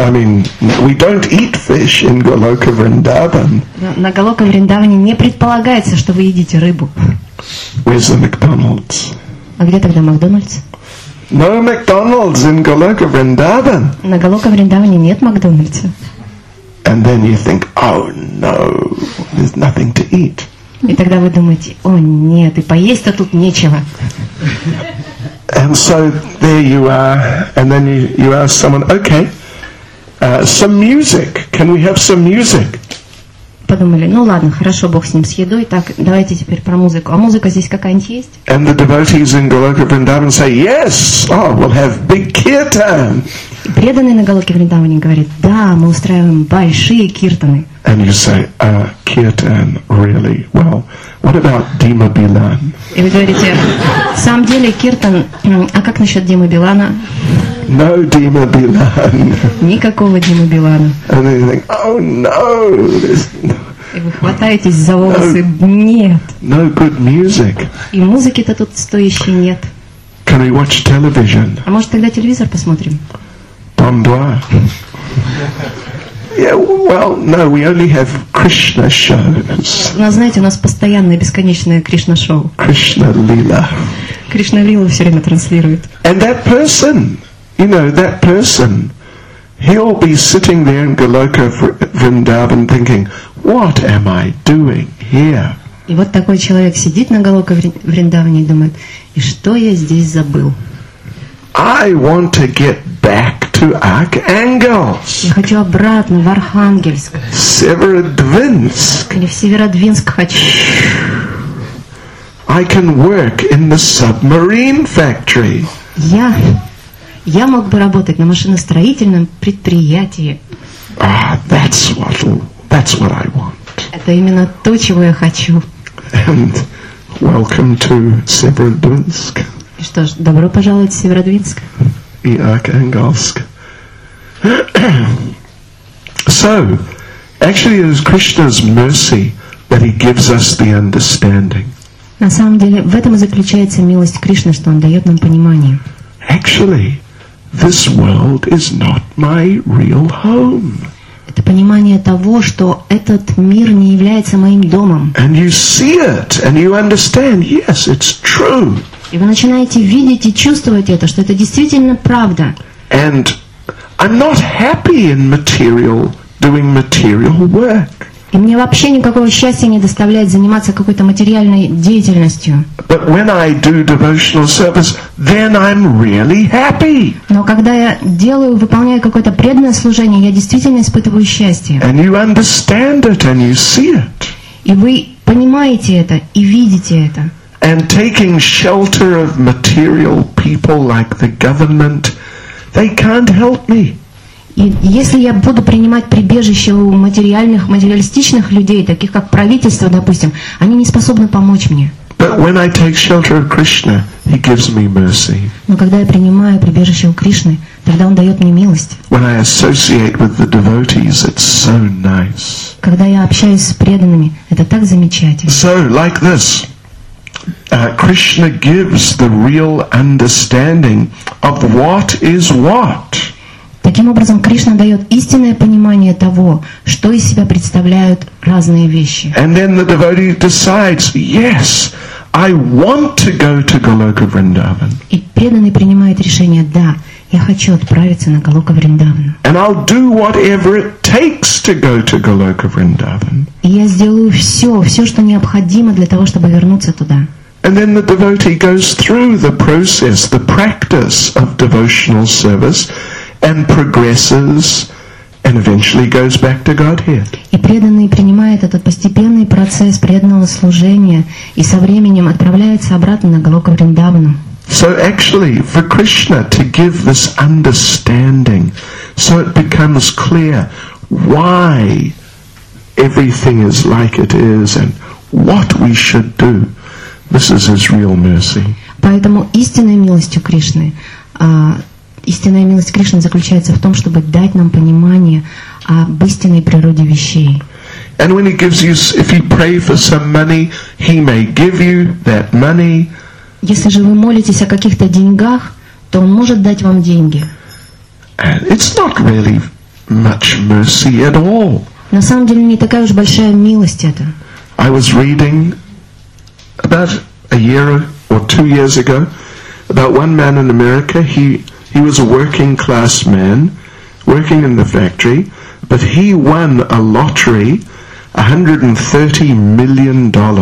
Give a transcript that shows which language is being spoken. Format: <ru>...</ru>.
<en>I mean, we don't eat fish in Goloka Vrindavan.</en> <ru>На Голока Вриндаване не предполагается, что вы едите рыбу.</ru> <en>Where's the McDonald's?</en> <ru>А где тогда Макдональдс?</ru> <en>No McDonald's in Goloka Vrindavan.</en> <ru>На Голока Вриндаване нет Макдональдса.</ru> <en>And then you think, oh no, there's nothing to eat.</en> <ru>И тогда вы думаете, о нет, и поесть-то тут нечего.</ru> <en>And so there you are, and then you ask someone, okay, some music. Can we have some music?</en> <ru>Подумали, ну ладно, хорошо, Бог с ним, с едой. Так, давайте теперь про музыку. А музыка здесь какая-нибудь есть?</ru> <en>And the devotees in Goloka Vrindavan say, yes, oh, we'll have big kirtan.</en> <ru>Преданные на Голоке Вриндаване говорят, да, мы устраиваем большие киртаны.</ru> <en>And you say, kirtan, really? Well, what about Dima Bilan?</en> <ru>И вы говорите, в самом деле, киртан, а как насчет Димы Билана?</ru> <en>No Dima Bilan.</en> <ru>Никакого Димы Билана.</ru> <en>And then you think, oh no!</en> <ru>И вы хватаетесь за волосы, нет.</ru> <en>No good music.</en> <ru>И музыки-то тут стоящей нет.</ru> <en>Can we watch television?</en> <ru>А может тогда телевизор посмотрим? Бомба.</ru> <en>Yeah, well, no, we only have Krishna shows.</en> <ru>Но знаете, у нас постоянное бесконечное Кришна шоу.</ru> <en>Krishna Lila.</en> <ru>Кришна Лила все время транслирует.</ru> <en>And that person, you know, that person, he'll be sitting there in Goloka Vrindavan thinking, what am I doing here?</en> <ru>И вот такой человек сидит на Голока Вриндаване и думает, и что я здесь забыл?</ru> <en>I want to get back. To Archangelsk.</en> <ru>Я хочу обратно в Архангельск.</ru> <en>Severodvinsk.</en> <ru>Или в Северодвинск хочу.</ru> <en>I can work in the submarine factory.</en> <ru>Я Я мог бы работать на машиностроительном предприятии.</ru> <en>That's what I want.</en> <ru>Это именно то, чего я хочу.</ru> <en>And welcome to Severodvinsk.</en> <ru>И что ж, добро пожаловать в Северодвинск. И Архангельск.</ru> <en>So, actually it is Krishna's mercy that he gives us the understanding.</en> <ru>На самом деле, в этом и заключается милость Кришны, что он дает нам понимание.</ru> <en>Actually, this world is not my real home.</en> <ru>Это понимание того, что этот мир не является моим домом.</ru> <en>And you see it, and you understand, yes, it's true.</en> <ru>И вы начинаете видеть и чувствовать это, что это действительно правда.</ru> <en>And I'm not happy in material, doing material work.</en> <ru>И мне вообще никакого счастья не доставляет заниматься какой-то материальной деятельностью.</ru> <en>But when I do devotional service, then I'm really happy.</en> <ru>Но когда я делаю, выполняю какое-то преданное служение, я действительно испытываю счастье.</ru> <en>And you understand it and you see it.</en> <ru>И вы понимаете это и видите это.</ru> <en>And taking shelter of material people like the government, they can't help me.</en> <ru>И если я буду принимать прибежище у материальных, материалистичных людей, таких как правительство, допустим, они не способны помочь мне.</ru> <en>But when I take shelter of Krishna, he gives me mercy.</en> <ru>Но когда я принимаю прибежище у Кришны, тогда он дает мне милость.</ru> <en>When I associate with the devotees, it's so nice.</en> <ru>Когда я общаюсь с преданными, это так замечательно.</ru> <en>So, like this. Krishna gives the real understanding of what is what.</en> <ru>Таким образом, Кришна дает истинное понимание того, что из себя представляют разные вещи.</ru> <en>And then the devotee decides, yes, I want to go to Goloka Vrindavan.</en> <ru>И преданный принимает решение, да, я хочу отправиться на Голока Вриндаван.</ru> <en>And I'll do whatever it takes to go to Goloka Vrindavan.</en> <ru>И я сделаю все, все, что необходимо для того, чтобы вернуться туда.</ru> <en>And then the devotee goes through the process, the practice of devotional service, and progresses, and eventually goes back to Godhead.</en> <ru>И преданный принимает этот постепенный процесс преданного служения и со временем отправляется обратно на Голока Вриндавану.</ru> <en>So actually, for Krishna to give this understanding, so it becomes clear why everything is like it is and what we should do. This is his real mercy.</en> <ru>Поэтому истинной милостью Кришны, истинная милость Кришны заключается в том, чтобы дать нам понимание об истинной природе вещей.</ru> <en>And when he gives you, if you pray for some money, he may give you that money.</en> <ru>Если же вы молитесь о каких-то деньгах, то он может дать вам деньги.</ru> <en>And it's not really much mercy at all.</en> <ru>На самом деле не такая уж большая милость это.</ru> <en>I was reading about a year or 2 years ago, about one man in America. He was a working class man, working in the factory, but he won a lottery, $130 million.</en>